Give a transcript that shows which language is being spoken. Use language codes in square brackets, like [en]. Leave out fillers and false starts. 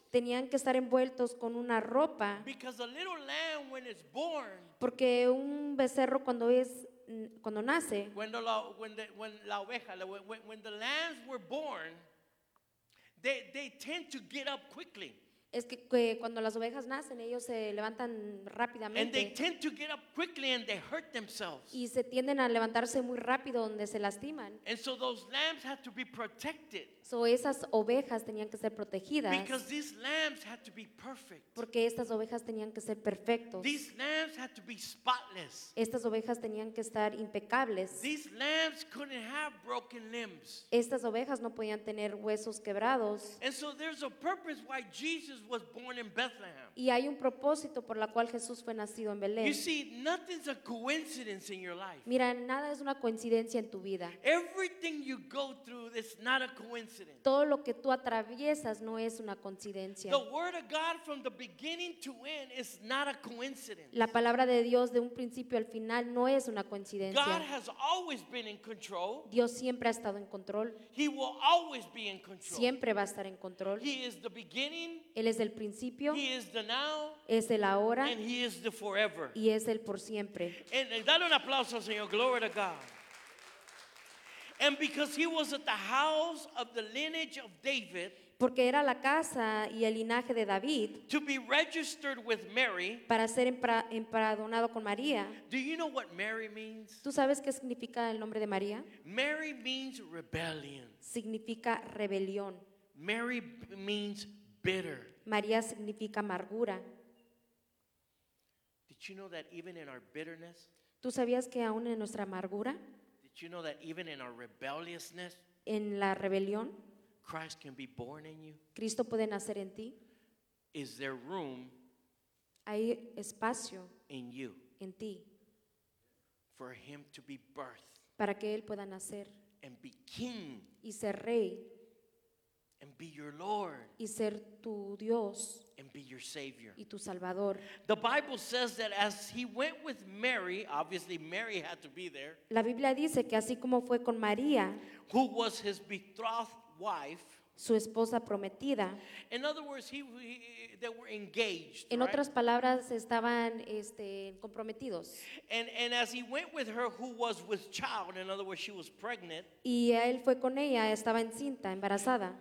[es] Tenían que estar envueltos con una ropa. [en] Because a little lamb when it's born. [es] Porque un becerro cuando nace. [en] When the lambs were born, they tend to get up quickly. [es] Es que cuando las ovejas nacen, ellos se levantan rápidamente. [en] And they tend to get up quickly and they hurt themselves. [es] Y se tienden a levantarse muy rápido donde se lastiman. [en] And so those lambs had to be protected. [es] So esas ovejas tenían que ser protegidas. [en] Because these lambs had to be perfect. [es] Porque estas ovejas tenían que ser perfectos. [en] These lambs had to be spotless. [es] Estas ovejas tenían que estar impecables. [en] These lambs couldn't have broken limbs. [es] Estas ovejas no podían tener huesos quebrados. [en] And so there's a purpose why Jesus was born in Bethlehem. [es] Y hay un propósito por la cual Jesús fue nacido en Belén. [en] You see, nothing's a coincidence in your life. [es] Mira, nada es una coincidencia en tu vida. [en] Everything you go through is not a coincidence. [es] Todo lo que tú atraviesas no es una coincidencia. [en] The word of God from the beginning to end is not a coincidence. [es] La palabra de Dios de un principio al final no es una coincidencia. [en] God has always been in control. [es] Dios siempre ha estado en control. [en] He will always be in control. [es] Siempre va a estar en control. [en] He is the beginning. [es] Él es el principio. [en] He is the now. [es] Es el ahora. [en] And he is the forever. [es] Y es el por siempre. And dale un aplauso, Señor. [en] Glory to God. And because he was at the house of the lineage of David, [es] porque era la casa y el linaje de David, [en] to be registered with Mary, [es] para ser empadronado con María. [en] Do you know what Mary means? [es] ¿Tú sabes qué significa el nombre de María? [en] Mary means rebellion. [es] Significa rebelión. [en] Mary means bitter. [es] María significa amargura. [en] Did you know that even in our bitterness? [es] ¿Tú sabías que aún en nuestra amargura? [en] Do you know that even in our rebelliousness, [es] en la rebelión, [en] Christ can be born in you? [es] Cristo puede nacer en ti. [en] Is there room? [es] Hay espacio [en] in you, [es] en ti, [en] for him to be birthed, [es] para que él pueda nacer, [en] and be king, [es] y ser rey, [en] and be your Lord, [es] y ser tu Dios, [en] and be your Savior, [es] y tu Salvador. [en] The Bible says that as he went with Mary, obviously Mary had to be there. [es] La Biblia dice que así como fue con María, [en] who was his betrothed wife, [es] su esposa prometida. [en] In other words, they were engaged. [es] En otras palabras, estaban comprometidos. [en] And as he went with her, who was with child, in other words, she was pregnant. [es] Y él fue con ella, estaba encinta, embarazada.